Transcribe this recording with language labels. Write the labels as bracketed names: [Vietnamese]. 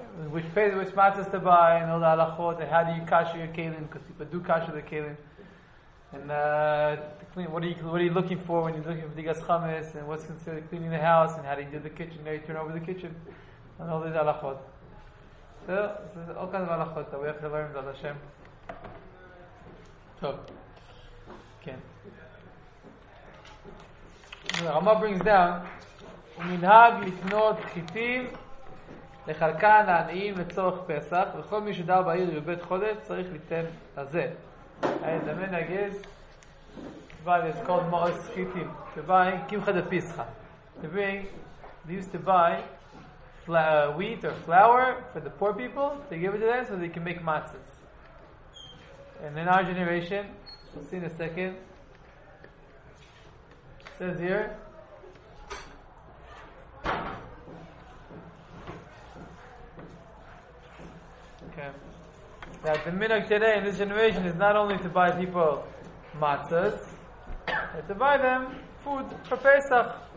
[English] Which matzahs to buy and all the halachot and how do you kasher your kelim, because people do kasher the kelim, and what are you looking for when you're looking for digas chametz, and what's considered cleaning the house, and how do you do the kitchen, how do you turn over the kitchen, and all these halachot. So this is all kinds of halachot that we have to learn about Hashem. So okay, the Rama brings down [Hebrew] minhag liknot chitim לחלקן העניים לצורך פסח, וכל מי שדר בעיר בבית חודש צריך ליתן לזה. [English] And the man is called Moros Chitim to buy Kimcha de Pischa. They used to buy wheat or flour for the poor people to give it to them so they can make matzahs. And in our generation, we'll see in a second, it says here, okay, that the minhag today in this generation is not only to buy people matzahs, but to buy them food for Pesach.